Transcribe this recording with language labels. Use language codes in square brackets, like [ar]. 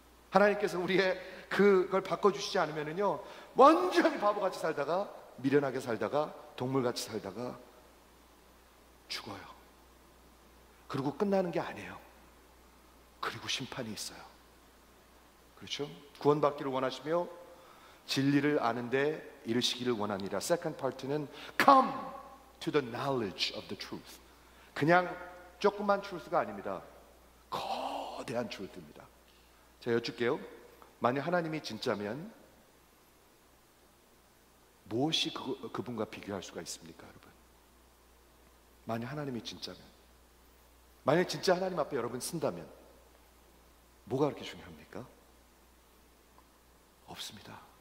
[ko] 하나님께서 우리의 그걸 바꿔주시지 않으면요 완전히 바보같이 살다가 미련하게 살다가 동물같이 살다가 죽어요. 그리고 끝나는 게 아니에요. 그리고 심판이 있어요. 그렇죠? 구원받기를 원하시며 진리를 아는데 이르시기를 원하니라. [en] Second part는 Come to the knowledge of the truth. [ko] 그냥 조그만 truth가 아닙니다. 거대한 truth입니다. 제가 여쭐게요. 만약 하나님이 진짜면 무엇이 그분과 비교할 수가 있습니까, 여러분? 만약 하나님이 진짜면, 만약 진짜 하나님 앞에 여러분 쓴다면 뭐가 그렇게 중요합니까? 없습니다.